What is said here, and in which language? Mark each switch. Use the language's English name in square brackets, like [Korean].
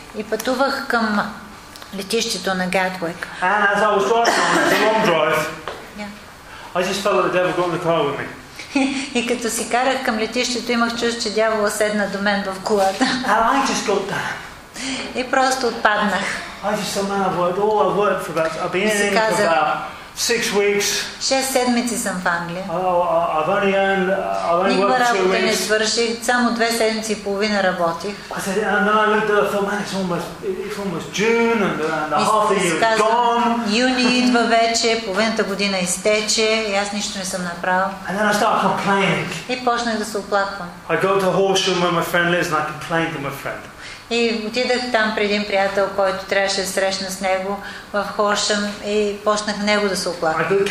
[Bulgarian] И пътувах към летището на Гатвик. [English] And as I was driving, it's a long drive. Yeah. I just felt like the devil got in the car with me. [Bulgarian] И като си карах към летището, имах чувство, че дявола седна до мен в колата. [English] And I just got down. [Bulgarian] И просто отпаднах. [English] I just said, man, I've worked for about, I've been in for about 6 weeks. [Bulgarian] 6 седмици съм в Англия. [English] I've only worked 2 weeks. [Bulgarian] Никога не свърших, само 2 седмици и половина работих. [English] I said, and then I looked at it, I thought, man, it's almost June and half a year is gone. [Bulgarian] Юни идва вече, половината година изтече и аз нищо не съм направил. [English] And then I started complaining. [Bulgarian] И почнах да се оплаквам. [English] I go to Horsham where my friend lives and I complained to my friend. [Bulgarian] И отидах там при един приятел, който трябваше да срещна с него в Хоршам и почнах на него да се оплаквам.